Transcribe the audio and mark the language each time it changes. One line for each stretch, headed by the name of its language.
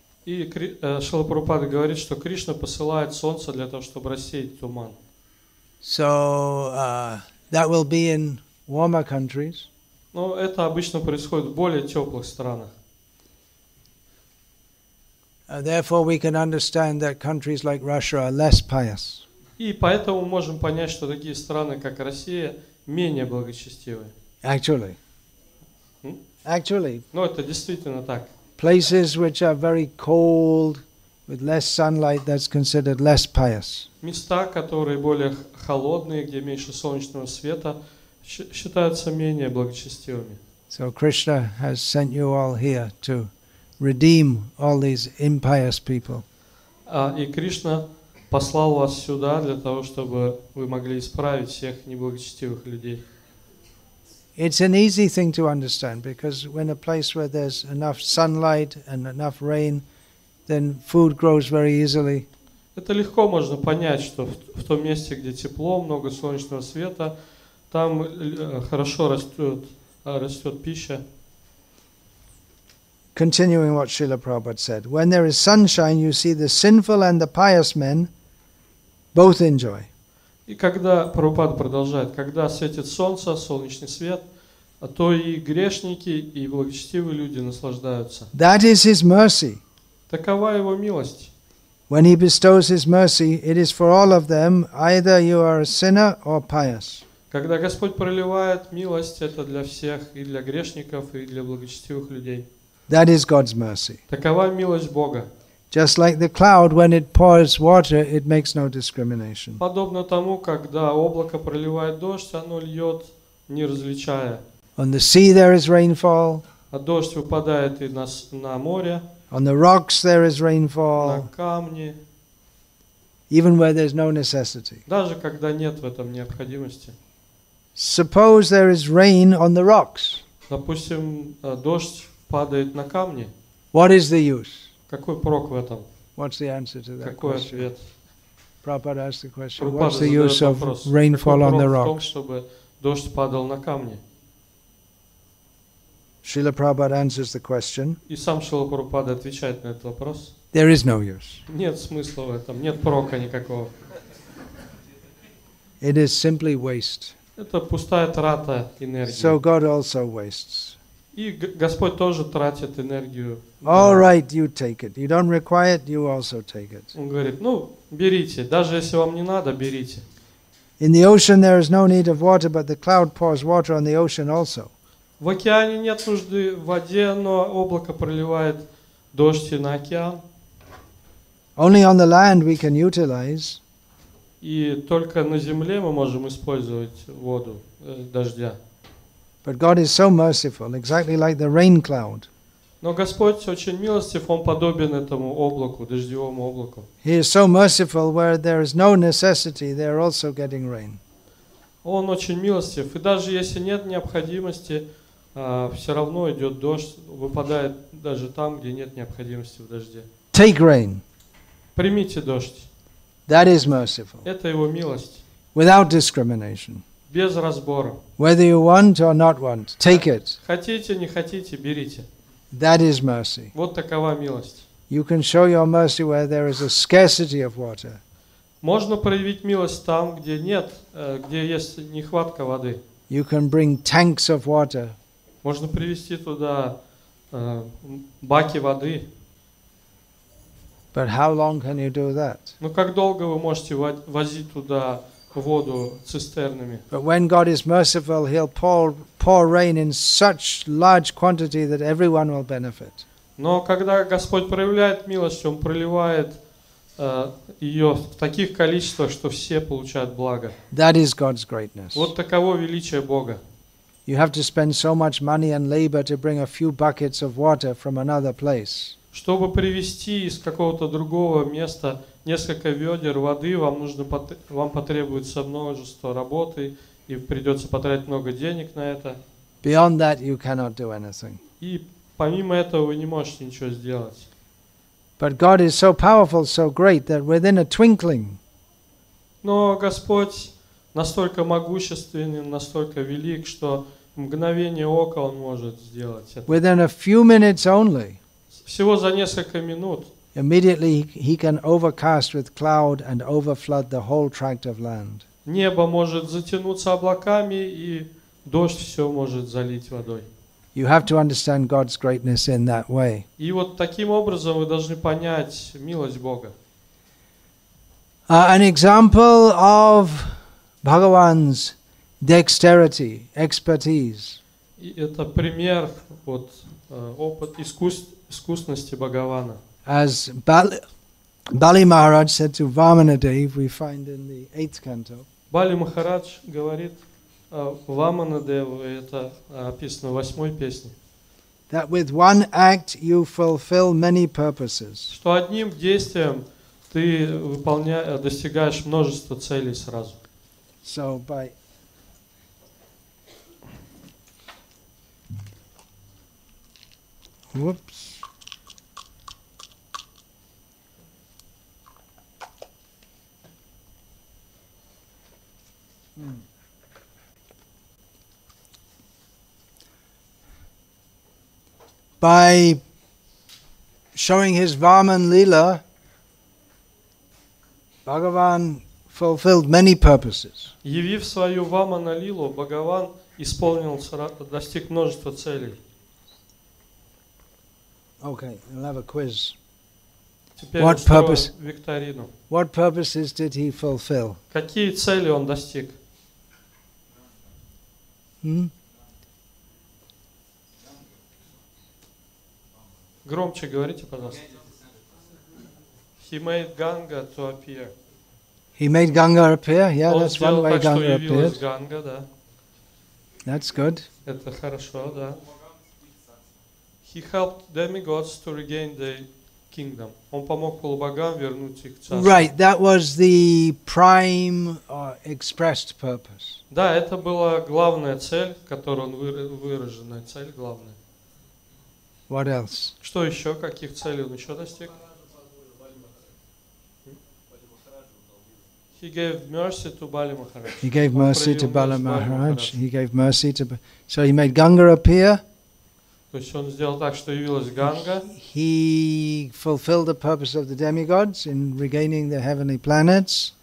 Russian: И Шрила Прабхупада говорит, что Кришна посылает солнце для того, чтобы рассеять туман.
English: So that will be in warmer countries.
Russian: Но это обычно происходит в более теплых странах.
English: Therefore, we can understand that countries like Russia are less pious.
Russian: И поэтому можем понять, что такие страны, как Россия, менее благочестивые.
English: Actually.
Russian: Но это действительно так.
English: Places which are very cold, with less sunlight, that's considered less pious.
Russian: Места, которые более холодные, где меньше солнечного света, считаются менее благочестивыми.
English: So Krishna has sent you all here to redeem all these impious people.
Russian: И Кришна послал вас сюда для того, чтобы вы могли исправить всех неблагочестивых людей.
English: It's an easy thing to understand because when a place where there's enough sunlight and enough rain, then food grows very easily.
Russian: Это легко можно понять, что в том месте, где тепло, много солнечного света, там хорошо растет пища.
English: Continuing what Srila Prabhupada said, when there is sunshine, you see the sinful and the pious men both enjoy.
Russian: И когда Прабхупада продолжает, когда светит солнце, солнечный свет, а то и грешники, и благочестивые люди наслаждаются.
English: That is his mercy.
Russian: Такова его милость.
English: When he bestows his mercy, it is for all of them, either you are a sinner or pious.
Russian: Когда Господь проливает милость, это для всех, и для грешников, и для благочестивых людей.
English: That is God's mercy.
Russian: Такова милость Бога.
English: Just like the cloud, when it pours water, it makes no discrimination.
Russian: Подобно тому, когда облако проливает дождь, оно льет, не различая.
English: On the sea there is rainfall.
Russian: А дождь выпадает и на море.
English: On the rocks there is rainfall.
Russian: На камни.
English: even where there's no necessity.
Russian: Даже когда нет в этом необходимости.
English: Suppose there is rain on the rocks.
Russian: Допустим, дождь падает на камни.
English: What is the use?
Russian: Какой прок в этом?
English: What's the answer to that
Russian: Какой
English: question?
Russian: Ответ?
English: Prabhupada asked the question, what's the use of rainfall on the rocks? Srila Prabhupada answers the question.
Russian: И сам Шрила Прабхупада отвечает на этот вопрос.
English: There is no use.
Russian: Нет смысла в этом, нет прока никакого.
English: It is simply waste.
Russian: Это пустая трата энергии.
English: So God also wastes.
Russian: И Господь тоже тратит энергию.
English: All right, you take it. You don't require it, you also take it.
Russian: Он говорит, ну, берите, даже если вам не надо, берите.
English: In the ocean there is no need of water, but the cloud pours water on the ocean also.
Russian: В океане нет нужды в воде, но облако проливает дождь на океан.
English: Only on the land we can utilize.
Russian: И только на земле мы можем использовать воду, дождя.
English: But God is so merciful, exactly like the rain cloud.
Russian: Но Господь очень милостив, Он подобен этому облаку, дождевому облаку.
English: He is so merciful, where there is no necessity, they are also getting rain.
Russian: Он очень милостив, и даже если нет необходимости, все равно идет дождь, выпадает даже там, где нет необходимости в дожде.
English: Take rain.
Russian: Примите дождь.
English: That is merciful.
Russian: Это Его милость.
English: Without discrimination.
Russian: Без разбора.
English: Whether you want or not want, take it.
Russian: Хотите, не хотите, берите.
English: That is mercy.
Russian: Вот такова милость.
English: You can show your mercy where there is a scarcity of water.
Russian: Можно проявить милость там, где нет, где есть нехватка воды.
English: You can bring tanks of water.
Russian: Можно привезти туда баки воды.
English: But how long can you do that?
Russian: Но как долго вы можете возить туда воду цистернами?
English: But when God is merciful, He'll pour rain in such large quantity that everyone will benefit.
Russian: Но когда Господь проявляет милость, Он проливает ее в таких количествах, что все получают благо.
English: That is God's greatness.
Russian: Вот таково величие Бога.
English: You have to spend so much money and labor to bring a few buckets of water from another place.
Russian: Чтобы привезти из какого-то другого места несколько ведер воды, вам потребуется множество работы, и придется потратить много денег на это.
English: Beyond that, you cannot do anything.
Russian: И помимо этого вы не можете ничего сделать.
English: But God is so powerful, so great, that within a twinkling.
Russian: Но Господь настолько могущественен, настолько велик, что в мгновение ока Он может сделать это.
English: Within a few minutes only.
Russian: Всего за несколько минут.
English: Immediately He can overcast with cloud and overflood the whole tract of land.
Russian: Небо может затянуться облаками, и дождь все может залить водой.
English: You have to understand God's greatness in that way.
Russian: И вот таким образом вы должны понять милость Бога.
English: An example of Bhagavan's dexterity, expertise.
Russian: И это пример вот опыт искусности Бхагавана.
English: As Bali Maharaj said to Vamanadeva, we find in the 8th canto.
Russian: Бали Махарадж говорит Ваманадеву, это описано в 8-й песне.
English: That with one act you fulfill many purposes.
Russian: Что одним действием ты достигаешь множество целей сразу.
English: So by Whoops. By showing his Vaman Leela, Bhagavan fulfilled many purposes.
Russian: Явив свою Вамана Лилу, Бхагаван исполнил, достиг множества целей.
English: Okay, we'll have a quiz.
Russian: Теперь
English: what purpose?
Russian: Викторину.
English: What purposes did he fulfill?
Russian: Какие цели он достиг? Громче говорите, пожалуйста.
English: He made Ganga to appear. He made Ganga appear? Yeah,
Russian: он
English: that's one way
Russian: так,
English: Ganga appeared.
Russian: Ganga, да.
English: That's good.
Russian: Это хорошо, да.
English: He helped demigods to regain the kingdom.
Russian: Он помог полубогам вернуть их царство.
English: Right, that was the prime expressed purpose.
Russian: Да, это была главная цель, которую он выраженная цель главная.
English: What else?
Russian: Что еще? Каких целей он еще достиг?
English: He gave mercy to Bali Maharaj. He gave mercy to Bali Maharaj. So he made Ganga appear. He fulfilled the purpose of the demigods in regaining the heavenly planets.